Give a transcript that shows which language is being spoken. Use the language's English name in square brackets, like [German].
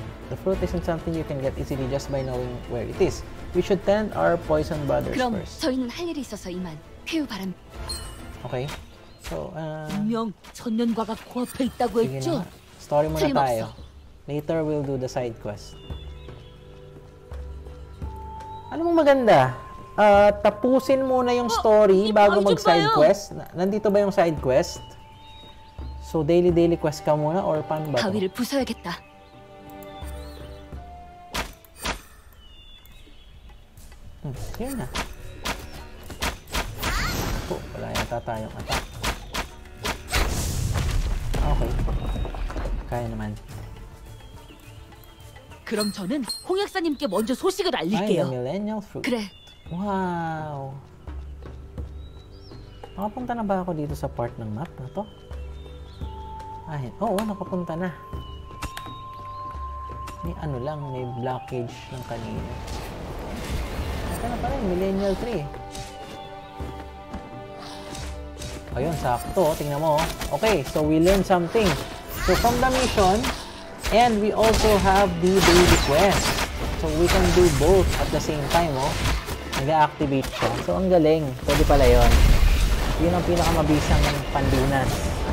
[English] The fruit isn't something you can get easily just by knowing where it is. We should tend our poison brothers first. [Korean] 저희는 할 일이 있어서 이만 쾌유 바람. [English] Okay. So, [Korean] 분명 천년과가 코앞에 있다고 했죠? [Filipino] Story muna tayo. [English] Later we'll do the side quest. [Filipino] Ano mong maganda? Tapusin muna yung story bago mag side quest. Nandito ba yung side quest? So daily quest ka muna or paano ba? Gawin ko 'yan. [English] Here na. [Filipino] Oh, wala yata tayong attack. Okay. Kaya naman. [Korean] 그럼 저는 홍약사님께 먼저 소식을 알릴게요. [English] Find a millennial fruit. [Korean] 그래. [English] Wow. [Filipino] 나가봉다 나 봐 ako dito sa part ng map na to. Oo, nakapunta na. May ano lang, may blockage ng kanina. Ito na pala yung Millennial Tree. Ayun, sakto. Tingnan mo. [English] Okay, so we learned something. So from the mission, and we also have the daily quest. So we can do both at the same time. [Filipino] Oh. Nag-activate siya. So ang galing. Pwede pala yun. Yun ang pinakamabisang pandunas.